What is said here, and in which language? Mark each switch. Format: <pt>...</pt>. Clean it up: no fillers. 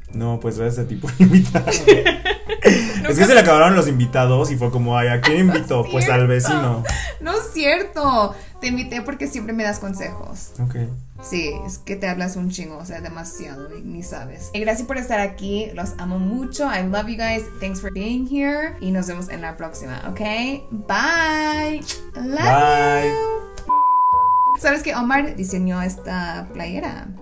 <es>No, pues gracias a ti por invitarme. Es que se le acabaron los invitados y fue como: ay, ¿a quién invito? No, pues al vecino. No es cierto. Te invité porque siempre me das consejos. Ok. Sí, es que te hablas un chingo, o sea, demasiado, ni sabes. Y gracias por estar aquí, los amo mucho.</es> <en>I love you guys, thanks for being here.</en> <es>Y nos vemos en la próxima, ¿ok? Bye.</es> <en>Love you.</en> <es>¿Sabes que Omar diseñó esta playera?</es>